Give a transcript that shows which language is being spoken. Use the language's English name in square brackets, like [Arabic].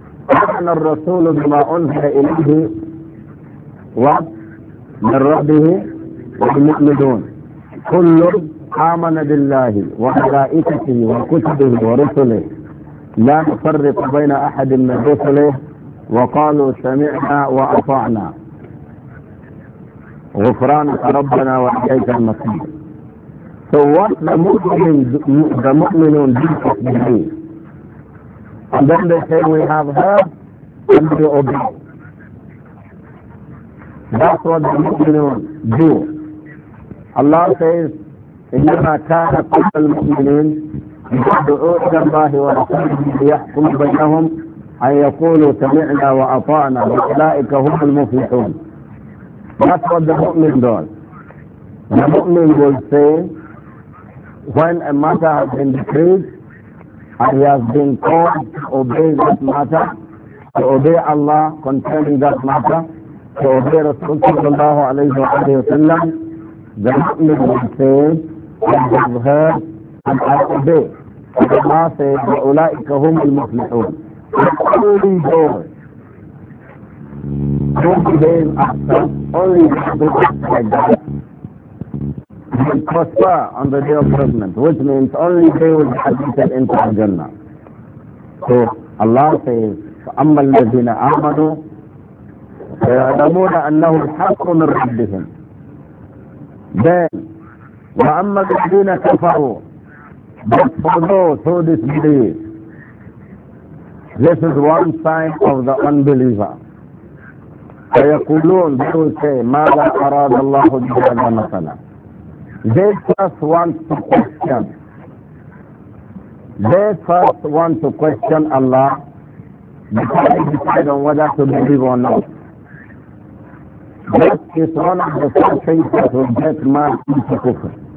[Arabic] أَمَنَ الرَّسُولُ بِمَا أُنْزِلَ إِلَيْهِ وَمِنْ رَبِّهِ وَالْمُؤْمِنُونَ كُلُّ آمَنَ بِاللَّهِ وَمَلَائِكَتِهِ وَكُتُبِهِ وَرُسُلِهِ لَا نُفَرِّقُ بَيْنَ أَحَدٍ مِنْ رُسُلِهِ وَقَالُوا سَمِعْنَا وَأَطَعْنَا غُفْرَانَكَ رَبَّنَا وَإِلَيْكَ الْمَصِيرُ. [English] So what the mu'minun do is believe. And then they say, we have heard and we obey. That's what the mu'minun do. Allah says, [Arabic] إِنَّمَا كَانَ قُلَّ الْمُؤْمِنِينَ يَدْعُوا إِلَى اللَّهِ وَرَسُولِهِ لِيَحْكُمُ بَيْنَهُمْ أَنْ يَقُولُوا سَمِعْنَا وَأَطَعْنَا وَأُولَئِكَ هُمُ الْمُفْلِحُونَ. [English] That's what the mu'min does. The mu'min will say, when a matter has been decreed and he has been called to obey that matter, to obey Allah concerning that matter, to obey Rasul sallallahu alayhi wa sallam, the mu'min will say, I have heard and I obey. And Allah says, [Arabic] wa ulaika hum al muflihun. [English] Only those who behave as such, only those who do like that, will prosper on the day of judgment, which means only they will be admitted into the Jannah. So Allah says, [Arabic] فَأَمَّا الَّذِينَ آمَنُوا فَيَعْلَمُونَ أَنَّهُ الْحَقُّ مِنْ رَبِّهِمْ. [English] Then, [Arabic] وَأَمَّا الَّذِينَ كَفَرُوا, [English] but for those who disbelieve, this is one sign of the unbeliever. [Arabic] فَيَقُولُونَ, [English] they will say, [Arabic] مَاذَا أَرَادَ اللَّهُ بِهَذَا مَثَلًا. [English] They first want to question. They first want to question Allah before they decide on whether to believe or not. That is one of the first things that will get man into kufr.